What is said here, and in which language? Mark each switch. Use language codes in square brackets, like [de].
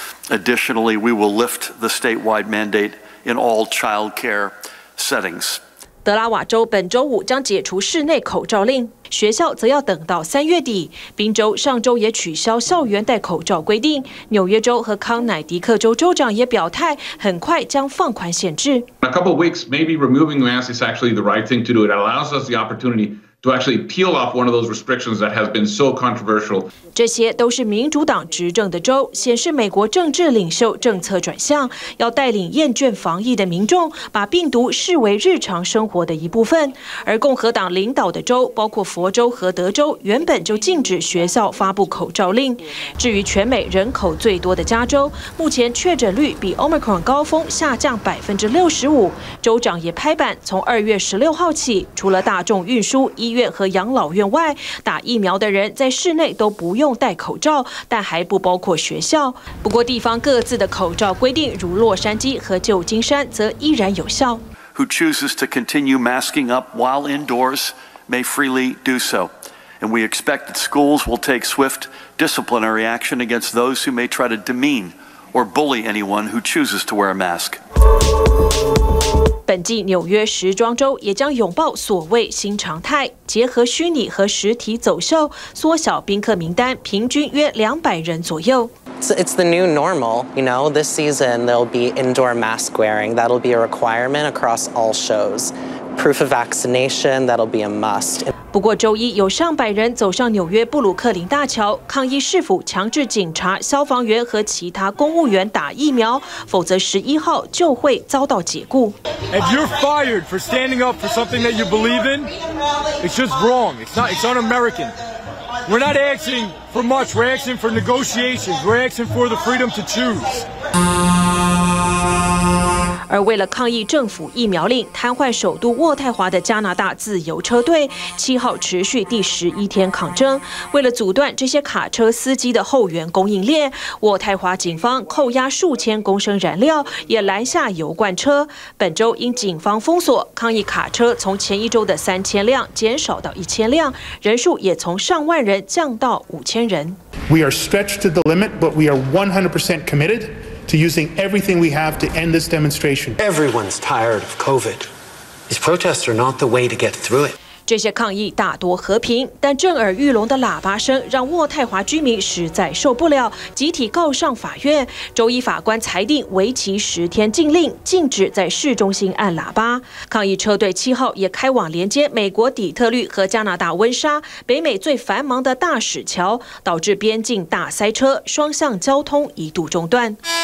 [en] Additionally, we will lift the statewide mandate in all child care settings. [zh] 德拉瓦州本周五将解除室内口罩令，学校则要等到3月底。宾州上周也取消校园戴口罩规定，纽约州和康乃狄克州州长也表态，很快将放宽限制。 [en] A couple of weeks, maybe removing masks is actually the right thing to do. It allows us the opportunity to actually peel off one of those restrictions that has been so controversial. [zh] 这些都是民主党执政的州，显示美国政治领袖政策转向，要带领厌倦防疫的民众，把病毒视为日常生活的一部分。而共和党领导的州，包括佛州和德州，原本就禁止学校发布口罩令。至于全美人口最多的加州，目前确诊率比 Omicron 高峰下降65%，州长也拍板，从2月16号起，除了大众运输、医院和养老院外，打疫苗的人在室内都不用戴口罩，但还不包括学校。不过地方各自的口罩规定，如洛杉矶和旧金山则依然有效。 [en] Who chooses to continue masking up while indoors may freely do so, and we expect that schools will take swift disciplinary action against those who may try to demean or bully anyone who chooses to wear a mask. [zh] 本季纽约时装周也将拥抱所谓新常态，结合虚拟和实体走秀，缩小宾客名单，平均约200人左右。 [en] It's the new normal, you know. This season there'll be indoor mask wearing. That'll be a requirement across all shows. proof of vaccination, that'll be a must. [zh] 不过周一有上百人走上纽约布鲁克林大桥抗议市府强制警察、消防员和其他公务员打疫苗，否则11号就会遭到解雇。 [en] If you're fired for standing up for something that you believe in, it's just wrong. It's un-American. We're not asking for much. We're asking for negotiations. We're asking for the freedom to choose. [zh] 而为了抗议政府疫苗令，瘫痪首都渥太华的加拿大自由车队7号持续第11天抗争。为了阻断这些卡车司机的后援供应链，渥太华警方扣押数千公升燃料，也拦下油罐车。本周因警方封锁，抗议卡车从前一周的3000辆减少到1000辆，人数也从上万人降到5000人。 [en] We are stretched to the limit, but we are 100% committed. To using everything we have to end this demonstration. Everyone's tired of COVID. These protests are not the way to get through it. [zh] 这些抗议大多和平，但震耳欲聋的喇叭声让渥太华居民实在受不了，集体告上法院。周一法官裁定为期十天禁令，禁止在市中心按喇叭。抗议车队七号也开往连接美国底特律和加拿大温莎、北美最繁忙的大使桥，导致边境大塞车，双向交通一度中断。